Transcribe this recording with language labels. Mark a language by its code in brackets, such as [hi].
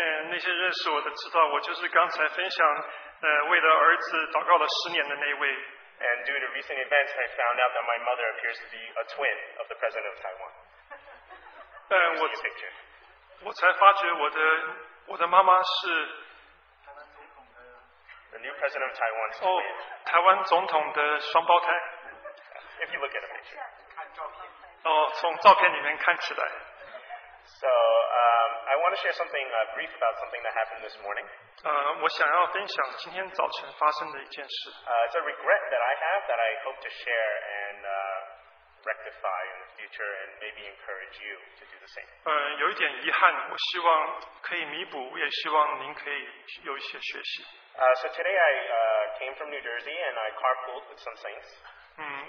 [zh] 那些认识我的知道，我就是刚才分享，为了儿子祷告了十年的那位。 [en] And due to recent events, I found out that my mother appears to be a twin of the president of Taiwan. [zh] 我才发觉我的妈妈是 [en] the new president of Taiwan. [zh] 台湾总统的双胞胎。 [en] If you look at a picture. [zh] 从照片里面看起来。 [en] So, I want to share something brief about something that happened this morning. [zh] 我想要分享今天早晨发生的一件事。 [en] It's a regret that I have that I hope to share and rectify in the future and maybe encourage you to do the same. [zh] 有一点遗憾，我希望可以弥补，也希望您可以有一些学习。 [en] So today I came from New Jersey and I carpooled with some saints.